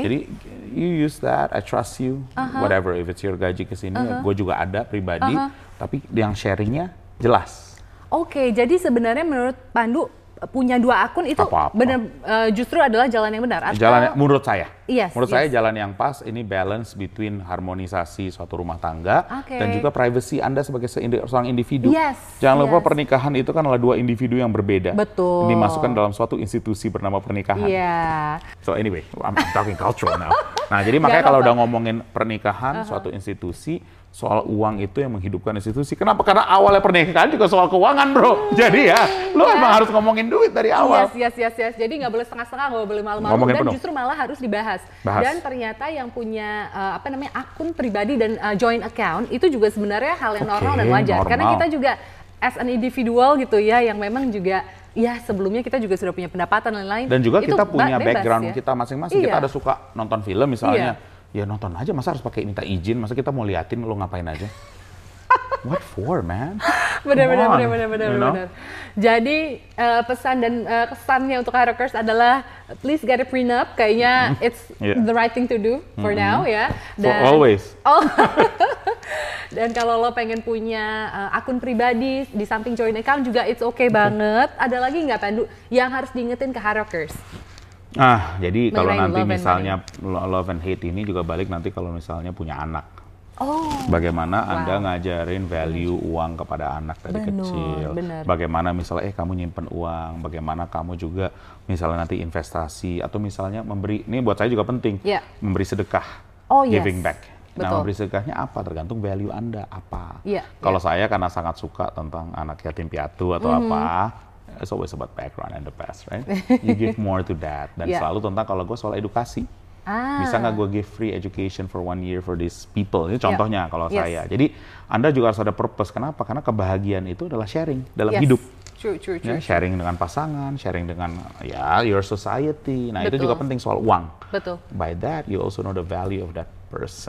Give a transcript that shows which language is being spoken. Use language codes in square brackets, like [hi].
[en] Jadi you use that, I trust you, whatever. If it's your [id] gaji kesini, gue juga ada pribadi, tapi yang sharingnya jelas. Oke, okay, jadi sebenarnya menurut Pandu punya dua akun itu benar justru adalah jalan yang benar. Jalan atau... menurut saya. [en] Yes. [id] Menurut [en] yes. [id] saya jalan yang pas ini [en] balance between [id] harmonisasi suatu rumah tangga [en] okay. [id] dan juga privacy Anda sebagai seorang individu. [en] Yes. [id] Jangan [en] yes. [id] lupa pernikahan itu kan adalah dua individu yang berbeda. Betul. Ini masukkan dalam suatu institusi bernama pernikahan. Iya. [en] Yeah. So anyway, I'm talking cultural now. [id] Nah, jadi makanya kalau udah ngomongin pernikahan suatu institusi, soal uang itu yang menghidupkan institusi. Kenapa? Karena awalnya pernikahan juga soal keuangan, bro. Jadi ya, lo emang harus ngomongin duit dari awal. Yes. Jadi nggak boleh setengah-setengah, nggak boleh malu-malu. Ngomongin dan penuh. Justru malah harus dibahas. Bahas. Dan ternyata yang punya akun pribadi dan joint account, itu juga sebenarnya hal yang normal dan wajar. Normal. Karena kita juga [en] as an individual [id] gitu ya, yang memang juga... Ya sebelumnya kita juga sudah punya pendapatan dan lain-lain. Dan juga itu kita punya bebas, background ya? Kita masing-masing. Iya. Kita ada suka nonton film misalnya. Iya. Ya nonton aja, masa harus pakai minta izin? Masa kita mau liatin lo ngapain aja? [en] What for, man? [id] Benar-benar. Jadi pesan dan kesannya untuk harokers adalah [en] please get a prenup. [id] Kayaknya [en] it's the right thing to do for now, ya. [id] Dan, [en] for always. [id] Oh, dan kalau lo pengen punya akun pribadi di samping joint account juga [en] it's okay [id] banget. Ada lagi nggak, Pandu, yang harus diingetin ke harokers? Ah, jadi kalau nanti love misalnya love and hate ini juga balik nanti kalau misalnya punya anak. Oh. Bagaimana Anda ngajarin value uang kepada anak dari kecil. Bener. Bagaimana misalnya kamu nyimpen uang, bagaimana kamu juga misalnya nanti investasi atau misalnya memberi, ini buat saya juga penting, memberi sedekah, [en] giving back. [id] Betul. Nah, memberi sedekahnya apa? Tergantung value Anda apa. [en] Yeah. [id] Kalau saya karena sangat suka tentang anak yatim piatu atau apa, [en] it's always about background and the past, right? You give more to that. [id] Dan selalu tentang kalau gue soal edukasi. Ah. Bisa nggak gue [en] give free education for one year for these people? [id] Ini contohnya kalau saya. Jadi Anda juga harus ada purpose. Kenapa? Karena kebahagiaan itu adalah sharing dalam hidup. [en] True. [id] Ya, sharing dengan pasangan, sharing dengan [en] your society. [id] Nah, itu juga penting soal uang. Betul. [en] By that, you also know the value of that person.